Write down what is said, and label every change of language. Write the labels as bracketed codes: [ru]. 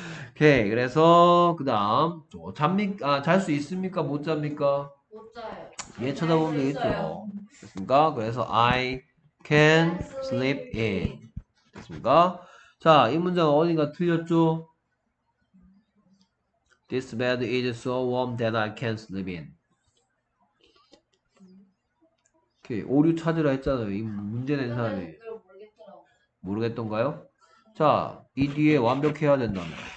[ko] 오케이. 그래서 그 다음 잠입니까? 아, 잘수 있습니까? 못 잡니까? 못 자요. 얘 쳐다보면 잘 되겠죠. 됐습니까? 그래서 [en] I can sleep in. [ko] 됐습니까? 자, 이 문장 어딘가 틀렸죠? [en] This bed is so warm that I can sleep in. [ko] 오케이, 오류 찾으라 했잖아요. 이 문제 낸 사람이. 모르겠던가요? 자, 이 뒤에 완벽해야 된다면.